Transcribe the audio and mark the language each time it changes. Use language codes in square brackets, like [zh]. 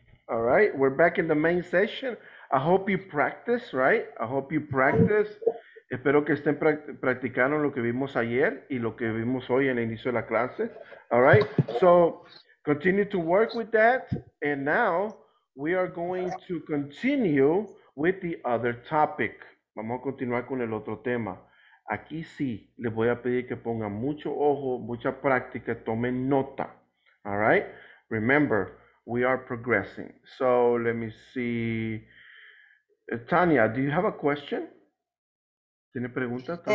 [en] All right, we're back in the main session. I hope you practice, right? I hope you practice. [es] Espero que estén practicando lo que vimos ayer y lo que vimos hoy en el inicio de la clase. [en] All right. So continue to work with that. And now we are going to continue with the other topic. [es] Vamos a continuar con el otro tema. Aquí sí les voy a pedir que pongan mucho ojo, mucha práctica, tomen nota. [en] All right. Remember, we are progressing. So let me see. Tania, do you have a question? [es] ¿Tiene preguntas?